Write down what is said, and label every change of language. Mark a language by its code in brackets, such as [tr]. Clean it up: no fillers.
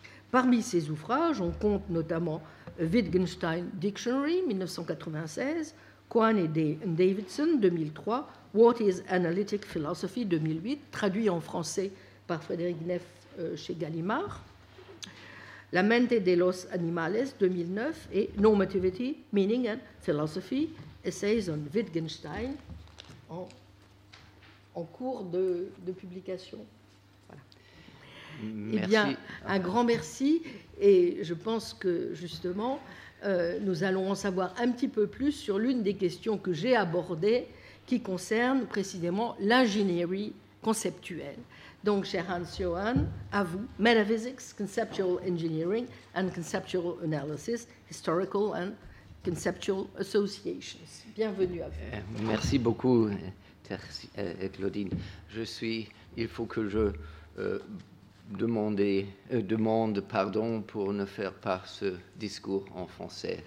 [fr] Parmi ses ouvrages, on compte notamment Wittgenstein Dictionary, 1996, Quine et Davidson, 2003, What is Analytic Philosophy, 2008, traduit en français par Frédéric Neff chez Gallimard, La mente de los animales, 2009, et Normativity, Meaning and Philosophy, Essays on Wittgenstein, en cours de publication. Voilà. Merci. Eh bien, un grand merci, et je pense que, justement, nous allons en savoir un petit peu plus sur l'une des questions que j'ai abordées, qui concerne précisément l'ingénierie conceptuelle. Donc, cher Hans-Johann, à vous. [en] Metaphysics, conceptual engineering and conceptual analysis, historical and conceptual associations. [fr] Bienvenue à vous. Merci beaucoup, Claudine. Je suis, il faut que je demande pardon pour ne faire pas ce discours en français.